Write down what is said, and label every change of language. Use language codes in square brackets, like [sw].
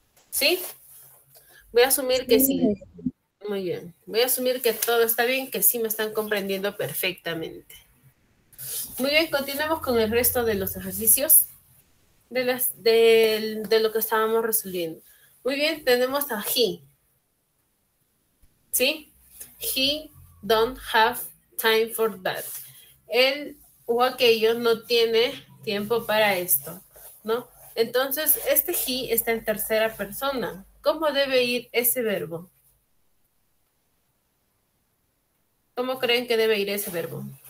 [es] ¿Sí? Voy a asumir que sí. Muy bien. Voy a asumir que todo está bien, que sí me están comprendiendo perfectamente. Muy bien, continuamos con el resto de los ejercicios de lo que estábamos resolviendo. Muy bien, tenemos a he. ¿Sí? [en] He don't have time for that. [es] Él o aquello no tiene tiempo para esto, ¿no? Entonces, este he está en tercera persona. ¿Cómo debe ir ese verbo? ¿Cómo creen que debe ir ese verbo?